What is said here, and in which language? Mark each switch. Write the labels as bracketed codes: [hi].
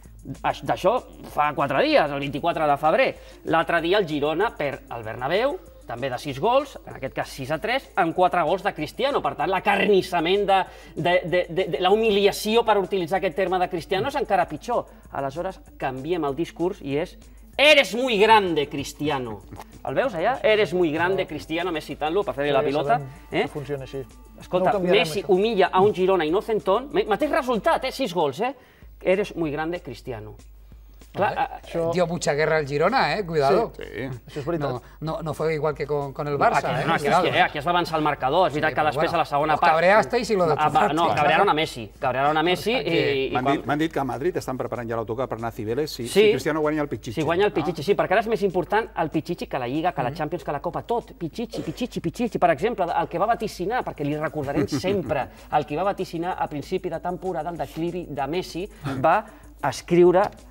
[ca] D'això fa 4 dies, el 24 de febrer. L'altre dia el Girona per el Bernabéu, també de 6 gols, en aquest cas 6-3, amb 4 gols de Cristiano. Per tant, l'acarnissament de la humiliació, per utilitzar aquest terme, de Cristiano és encara pitjor. Aleshores, canviem el discurs i és... [es] Eres muy grande, Cristiano. [ca] El veus allà? [es] Eres muy grande, Cristiano, [ca] més citant-lo per fer-li la pilota. Sabem, que funciona així. [es] Escolta, no Messi humilla a un Girona inocentón. [ca] Mateix resultat, 6 gols, [es] Eres muy grande, Cristiano. [ca] Clar, això... [es] Dio mucha guerra al Girona, Cuidado. [ca] Sí, sí. Això és veritat. [es] No fue igual que con el Barça, [ca] Aquí es va avançar el marcador, és veritat, sí, que després, bueno, a la segona part... [es] Cabreasteis y lo destrozasteis. No, cabrearon a Messi [ca] M'han dit que a Madrid estan preparant ja l'autocar per anar a Cibeles si Cristiano guanya el Pichichi. Si guanya el Pichichi, sí, perquè ara és més important el Pichichi que la Lliga, que la Champions, que la Copa, tot. Pichichi. Per exemple, el que va vaticinar, perquè li recordarem sempre, el que va vaticinar a principi de temporada, el declivi de Messi, va escriure...